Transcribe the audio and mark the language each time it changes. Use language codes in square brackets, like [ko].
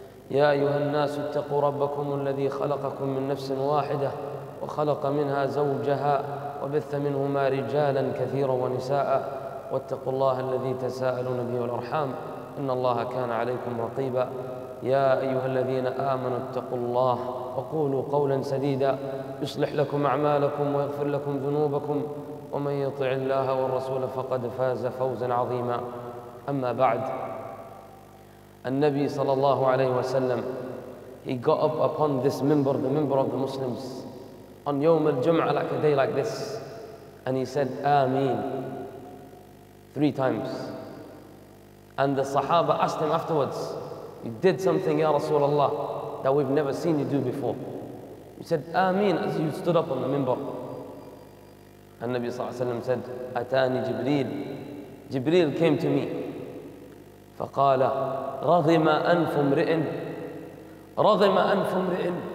[ar] يا أيها الناس اتقوا ربكم الذي خلقكم من نفس واحدة وخلق منها زوجها وبث منهما رجالا كثيرا ونساء، واتقوا الله الذي تساءلون به والأرحام، إن الله كان عليكم رقيبا. يا أيها الذين آمنوا اتقوا الله وقولوا قولا سديدا، يصلح لكم أعمالكم ويغفر لكم ذنوبكم، ومن يطع الله والرسول فقد فاز فوزا عظيما. أما بعد، النبي صلى الله عليه وسلم [en] he got up upon this member, the member of the Muslims, on يوم الجمعة like a day like this, and he said آمين 3 times. And the Sahaba asked him afterwards, you did something [ar] يا رسول الله [en] that we've never seen you do before. He said آمين as you stood up on the member. [ar] النبي صلى الله عليه وسلم [en] said [ar] أتاني جبريل، جبريل [en] came to me. [ar] فقال رضم أنف امرئ، رضم أنف امرئ.